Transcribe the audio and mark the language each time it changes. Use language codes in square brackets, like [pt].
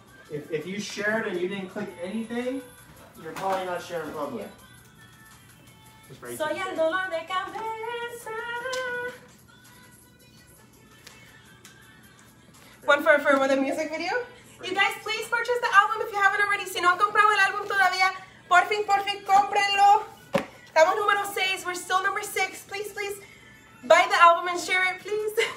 [en] If you shared and you didn't click anything, you're probably not sharing public. [es] Soy el dolor de cabeza. [en] One for the music video. You guys, please purchase the album if you haven't already. [es] Si no han comprado el álbum todavía, por fin, cómprenlo. Estamos número 6, [en] we're still number 6. Please, buy the album and share it, please.